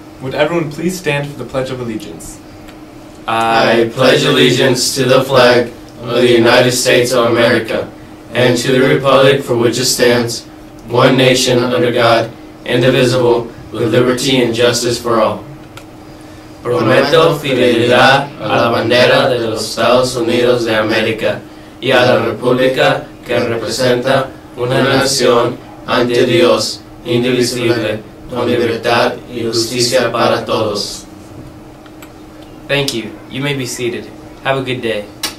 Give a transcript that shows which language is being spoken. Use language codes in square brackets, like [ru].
[en] Would everyone please stand for the Pledge of Allegiance? I pledge allegiance to the flag of the United States of America and to the republic for which it stands, one nation under God, indivisible, with liberty and justice for all. [es] Prometo fidelidad a la bandera de los Estados Unidos de América y a la República que representa una nación ante Dios, indivisible, con libertad y justicia para todos. [en] Thank you. You may be seated. Have a good day.